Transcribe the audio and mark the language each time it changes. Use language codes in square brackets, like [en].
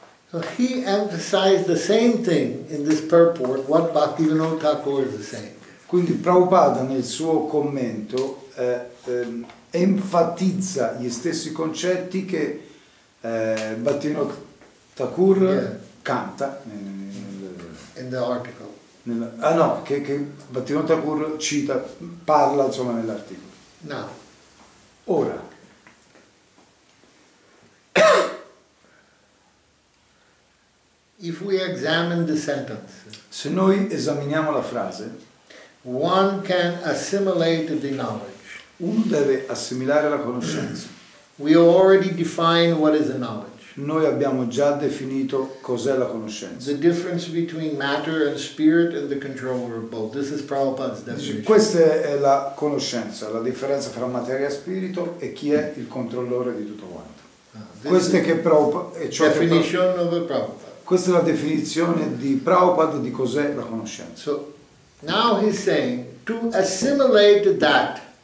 [en] So he emphasized the same thing in this purport, what Bhaktivinoda Thakur is saying. [it] Quindi Prabhupada nel suo commento enfatizza gli stessi concetti che Bhaktivinoda Thakur canta nell'articolo. Che Bhaktivinoda Thakur cita, parla insomma nell'articolo. No. Ora. [en] If we examine the sentence. [it] Se noi esaminiamo la frase. [en] One can assimilate the knowledge. [it] Uno deve assimilare la conoscenza. [en] We already define what is a knowledge. [it] Noi abbiamo già definito cos'è la conoscenza. [en] The difference between matter and spirit and the controller of both. This is Prabhupada's definition. [it] Questa è la conoscenza, la differenza fra materia e spirito e chi è il controllore di tutto quanto. Questa è che Prabhupada, cioè [en] definition of a Prabhupada. [it] Questa è la definizione di Prabhupada di cos'è la conoscenza. [en] Now he's saying to assimilate that.